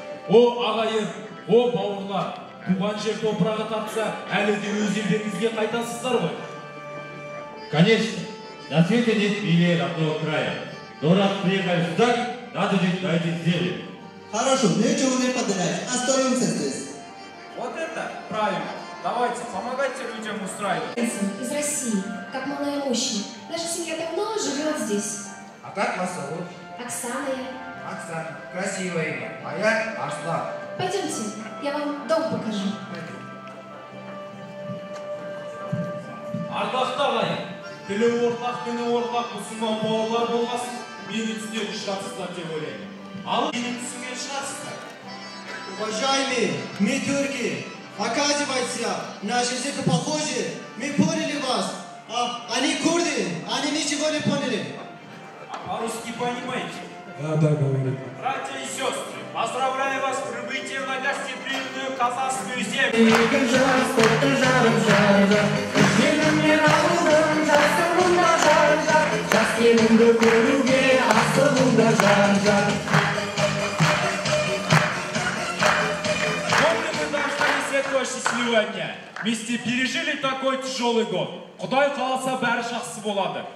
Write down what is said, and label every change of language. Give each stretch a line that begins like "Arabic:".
Kazakh: О, ағайын, о, бауырлар, туған жер топырағы тапса, әлі де өз елдеріңізге қайтасыздар ғой.
Russian: Конечно, на свете нет милее родного края. Но раз приехали сюда, надо жить на этой земле. Хорошо, нечего не подарять, остановимся здесь. Вот это правильно. Давайте, помогайте людям устраивать. Из России, как малоимущие. Наша семья давно живет здесь. А как вас зовут? Оксана я. Оксана, красивое имя. Моя Арслан. Пойдемте, я вам дом покажу.
Kazakh: Ардақты ағай, тілі ортақ, діні ортақ, мұсылман балалар болғасын, мені түсіне ұшырасыздар деп ойлаймын. Ал мені түсінген шығарсыздар.
Russian: Уважаемые, мы тюрки, оказывается, наши языки похожи, мы поняли вас, а они курды, они ничего не поняли. А русский понимаете? Да, да, говорит. Братья и сестры, поздравляю вас с прибытием на гостеприимную казахскую землю. И жар, сколько жаром жаржа, сильным мираузом, жастым да жаржа, жастым да куруге, астым да жаржа. Помню, мы дождались этого счастливого дня. Вместе пережили такой тяжелый год.
Kazakh: Кудай қаласа бәрі жақсы болады.